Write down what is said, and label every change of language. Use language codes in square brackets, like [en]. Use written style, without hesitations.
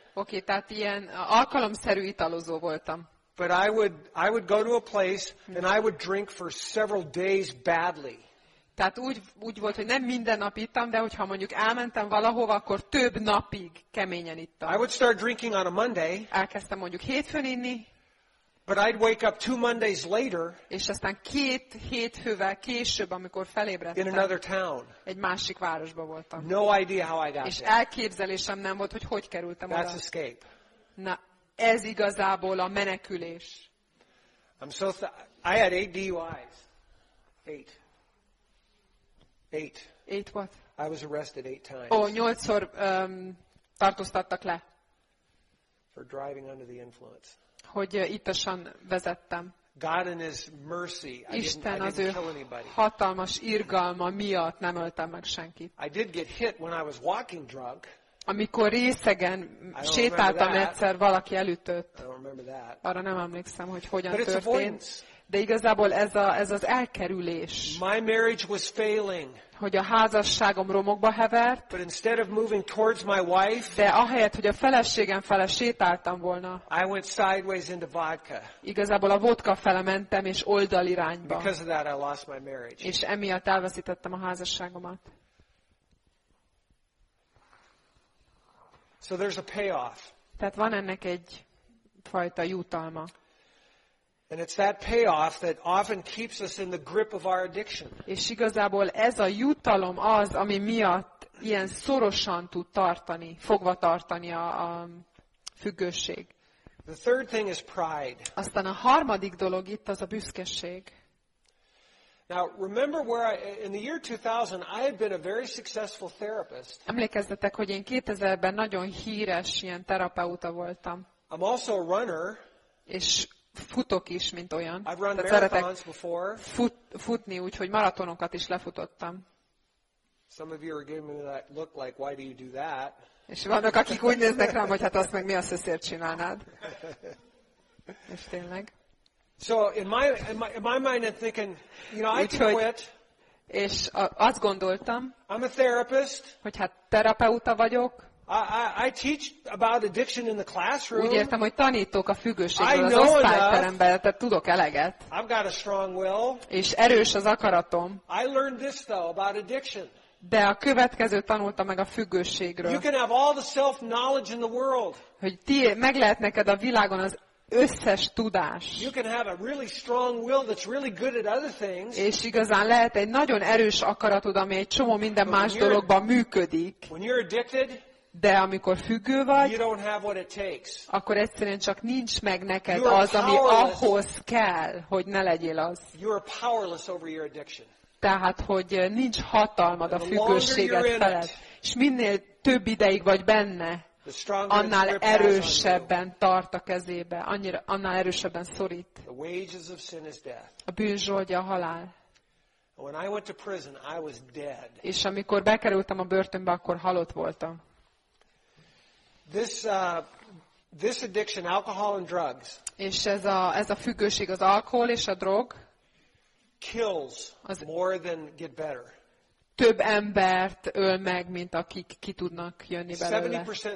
[hu] Okay, tehát ilyen alkalomszerű italozó voltam. [en] But I would go to a place and I would drink for several days badly. [hu] Tehát úgy volt, hogy nem minden nap ittam, de hogyha mondjuk elmentem valahova, akkor több napig keményen ittam. [en] I would start drinking on a Monday. [hu] Elkezdtem mondjuk hétfőn inni. [en] But I'd wake up two Mondays later. [hu] És aztán két hétfővel később, amikor felébredtem. [en] In another town. [hu] Egy másik városban voltam. [en] No idea how I got [hu] there. És elképzelésem nem volt, hogy kerültem [en] That's [hu] oda. [en] That's escape. [hu] Na, ez igazából a menekülés. [en] I had eight DUIs. Eight. Eight. Eight what? I was arrested eight times. [hu] Oh, nyolcszor tartóztattak le. [en] For driving under the influence. [hu] Hogy ittasan vezettem. [en] God in his mercy, [hu] Isten az ő hatalmas irgalma miatt nem öltem meg senkit. [en] I did get hit when I was walking drunk. [hu] Amikor részegen sétáltam egyszer, valaki elütött. [en] I don't remember that. [hu] Arra nem emlékszem, hogy hogyan [en] But [hu] történt. De igazából ez az elkerülés. [en] My marriage was failing. [hu] Hogy a házasságom romokba hevert. [en] But instead of moving towards my wife, [hu] de ahelyett, hogy a feleségem fele sétáltam volna. [en] I went sideways into vodka. [hu] Igazából a vodka fele mentem és oldalirányba. [en] Because of that I lost my marriage. [hu] És emiatt elveszítettem a házasságomat. [en] So there's a payoff. [hu] Tehát van ennek egy fajta jutalma. [en] And it's that payoff that often keeps us in the grip of our addiction. [hu] És igazából ez a jutalom az, ami miatt ilyen szorosan tud tartani, fogva tartani a függőség. [en] The third thing is pride. [hu] Aztán a harmadik dolog itt az a büszkeség. [en] Now remember where I in the year 2000 I had been a very successful therapist. [hu] Emlékezzetek, hogy én 2000-ben nagyon híres ilyen terapeuta voltam. [en] I'm also a runner. [hu] És futok is, mint olyan. [en] I've run marathons before. [hu] Futni, úgyhogy maratonokat is lefutottam. [en] Some of you are giving me that look like, why do you do that? [hu] És vannak, akik úgy néznek rám, hogy hát azt meg mi a szöszért csinálnád. És tényleg. [en] So in my mind I'm thinking, you know, I can quit. [hu] És azt gondoltam, [en] I'm a therapist. [hu] Hogy hát terapeuta vagyok. [en] I teach about addiction in the classroom. [hu] Úgy értem, hogy tanítok a függőségről az osztályteremben, tehát tudok eleget. [en] I've got a strong will. [hu] És erős az akaratom. [en] I learned this though about addiction. [hu] De a következő tanultam meg a függőségről. [en] You can have all the self-knowledge in the world. [hu] Hogy ti meg lehet neked a világon az összes tudás. [en] You can have a really strong will that's really good at other things. [hu] És igazán lehet egy nagyon erős akaratod, ami egy csomó minden más dologban működik. [en] When you're addicted, [hu] de amikor függő vagy, [en] you don't have what it takes. [hu] Akkor egyszerűen csak nincs meg neked az, ami ahhoz kell, hogy ne legyél az. [en] You're powerless over your addiction. [hu] Tehát, hogy nincs hatalmad a függőséged felett. És minél több ideig vagy benne, annál erősebben tart a kezébe, annál erősebben szorít. [en] The wages of sin is death. [hu] A bűn zsoldja a halál. [en] When I went to prison, I was dead. [hu] És amikor bekerültem a börtönbe, akkor halott voltam. [en] This addiction, alcohol and drugs. [hu] És ez a függőség az alkohol és a drog. [en] Kills more than get better. [hu] több embert öl meg, mint akik ki tudnak jönni belőle.